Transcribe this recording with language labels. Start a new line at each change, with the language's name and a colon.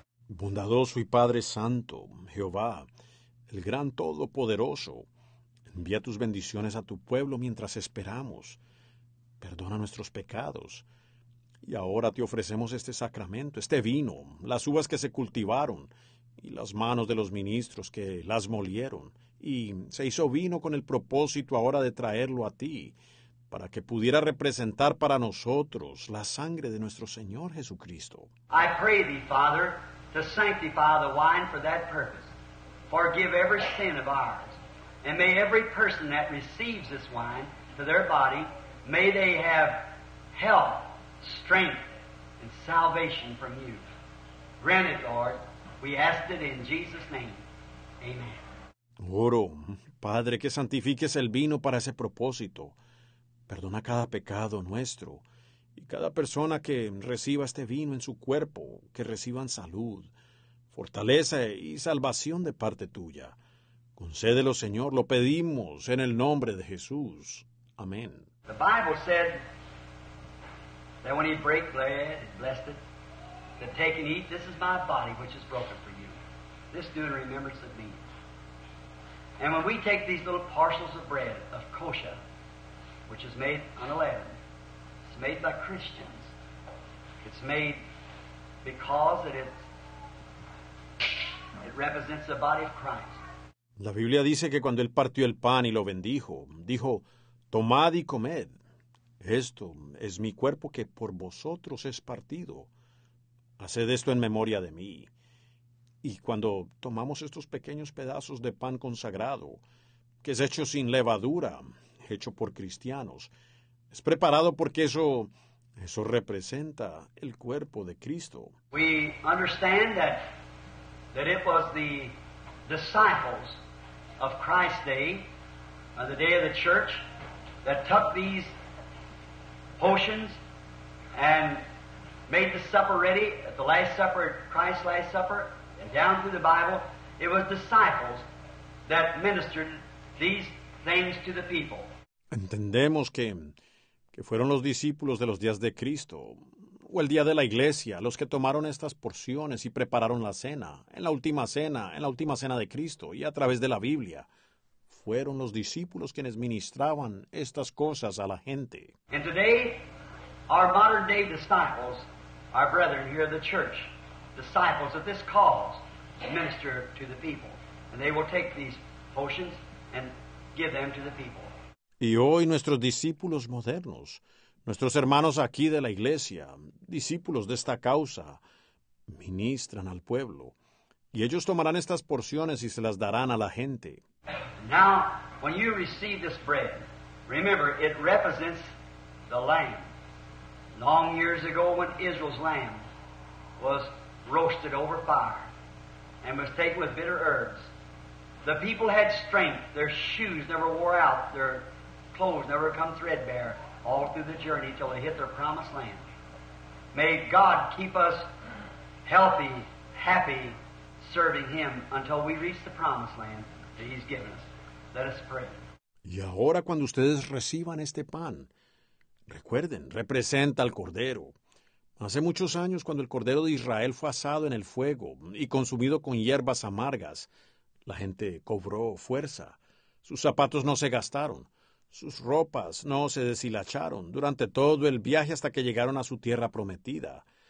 Spanish: Bondadoso y Padre Santo, Jehová, el gran Todopoderoso, envía tus bendiciones a tu pueblo mientras esperamos. Perdona nuestros pecados. Y ahora te ofrecemos este sacramento, este vino, las uvas que se cultivaron y las manos de los ministros que las molieron. Y se hizo vino con el propósito ahora de traerlo a ti, para que pudiera representar para nosotros la sangre de nuestro Señor Jesucristo.
English: I pray thee, Father, to sanctify the wine for that purpose. Forgive every sin of ours. And may every person that receives this wine to their body, may they have health, strength, and salvation from you. Grant it, Lord. We ask it in Jesus' name. Amen.
Spanish: Oro, Padre, que santifiques el vino para ese propósito. Perdona cada pecado nuestro y cada persona que reciba este vino en su cuerpo, que reciban salud, fortaleza y salvación de parte tuya. Concédelo, Señor, lo pedimos en el nombre de Jesús. Amén.
English: The Bible said that when he break bread and blessed it, to take and eat, this is my body which is broken for you. This do in remembrance of me. And when we take these little parcels of bread of kosher, which is made unleavened, it's made by Christians, it's made because it represents the body of Christ.
Spanish: La Biblia dice que cuando él partió el pan y lo bendijo, dijo, tomad y comed. Esto es mi cuerpo que por vosotros es partido. Haced esto en memoria de mí. Y cuando tomamos estos pequeños pedazos de pan consagrado, que es hecho sin levadura, hecho por cristianos, es preparado porque eso representa el cuerpo de Cristo.
English: We understand that it was the disciples of Christ's day, on the day of the church, that took these potions and made the supper ready at the Last Supper, at Christ's Last Supper, and down through the Bible, it was disciples that ministered these things to the people.
Spanish: Entendemos que fueron los discípulos de los días de Cristo, o el día de la iglesia, los que tomaron estas porciones y prepararon la cena, en la última cena de Cristo y a través de la Biblia, fueron los discípulos quienes ministraban estas cosas a la gente.
English: And today, our modern day disciples, our brethren here at the church, disciples of this cause, minister to the people. And they will take these potions and give them to the people.
Spanish: Y hoy nuestros discípulos modernos, nuestros hermanos aquí de la iglesia, discípulos de esta causa, ministran al pueblo. Y ellos tomarán estas porciones y se las darán a la gente.
English: Now, when you receive this bread, remember, it represents the lamb. Long years ago, when Israel's lamb was roasted over fire and was taken with bitter herbs, the people had strength. Their shoes never wore out. Their clothes never come threadbare all through the journey till they hit their promised land. May God keep us healthy, happy, serving Him until we reach the promised land that He's given us. Let us pray.
Spanish: Y ahora cuando ustedes reciban este pan, recuerden, representa al Cordero. Hace muchos años, cuando el Cordero de Israel fue asado en el fuego y consumido con hierbas amargas, la gente cobró fuerza. Sus zapatos no se gastaron. Sus ropas no se deshilacharon durante todo el viaje hasta que llegaron a su tierra prometida.